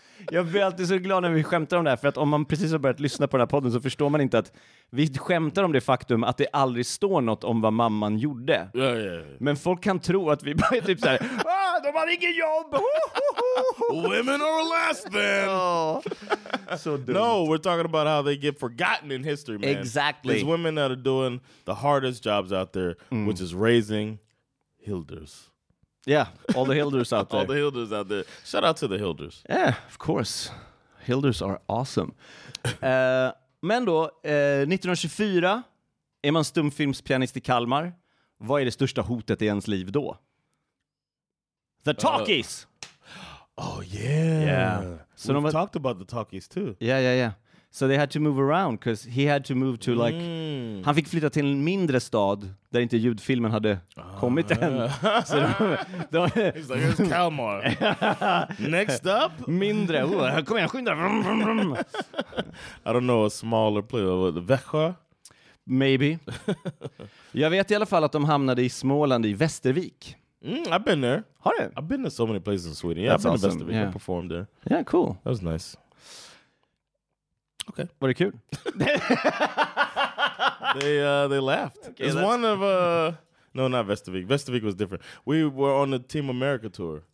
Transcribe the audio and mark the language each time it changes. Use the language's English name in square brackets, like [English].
[Swedish] Jag blir alltid så glad när vi skämtar om det här, för att om man precis har börjat lyssna på den här podden så förstår man inte att vi skämtar om det faktum att det aldrig står något om vad mamman gjorde. Ja, ja, ja. Men folk kan tro att vi bara är typ så här, de har ingen jobb! [English] Women are less than! [Swedish] So dumt. [English] No, we're talking about how they get forgotten in history, man. Exactly. These women that are doing the hardest jobs out there, which is raising Hilders. Yeah, all the Hilders out there. All the Hilders out there. Shout out to the Hilders. Yeah, of course. Hilders are awesome. [Swedish] men då, 1924, är man stumfilmspianist i Kalmar. Vad är det största hotet i ens liv då? [English] The talkies! Oh, yeah. Yeah. So we've talked about the talkies, too. Yeah, yeah, yeah. So they had to move around, because he had to move to, like... [Swedish] Han fick flytta till en mindre stad där inte ljudfilmen hade kommit än. Så [English] de, he's like, it's Kalmar. Next up? [Swedish] Mindre. Oh, kom igen, skynda. [English] I don't know, a smaller place. Växjö? Maybe. [Swedish] Jag vet i alla fall att de hamnade i Småland i Västervik. [English] Mm, I've been there. [Swedish] Har du? [English] I've been to so many places in Sweden. Yeah, I've been to Västervik. Yeah. I performed there. Yeah, cool. That was nice. [Swedish] Okay. Var det kul? [English] They laughed. Okay, it was one of no, not Västervik. Västervik was different. We were on the Team America tour.